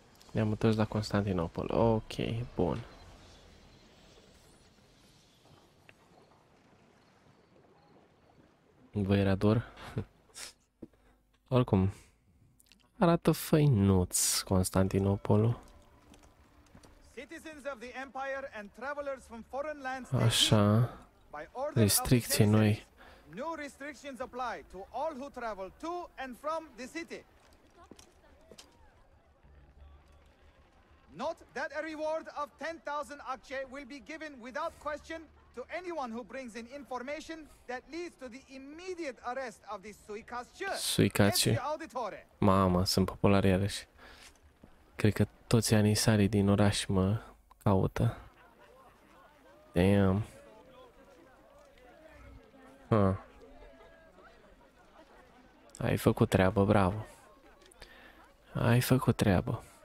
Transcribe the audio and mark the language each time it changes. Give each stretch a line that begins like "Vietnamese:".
Romanian: Ne-am întors la Constantinopol. Ok, bun. Vă era dor? Oricum. Arată făinuț Constantinopolul.
English: Citizens of the Empire and travelers from foreign lands.
Romanian: Așa. Restricții noi.
English: New restrictions apply to all who travel to and from the city. Note that a reward of 10,000 akçe will be given without question to to anyone who brings in information that leads to the immediate arrest of the Suicaciu. Suicaciu.
Romanian: Mamă, sunt popular iarăși. Cred că toți anisarii din oraș mă caută.
English: Damn. Huh.
Romanian: Ai făcut treabă, bravo. Ai făcut treabă.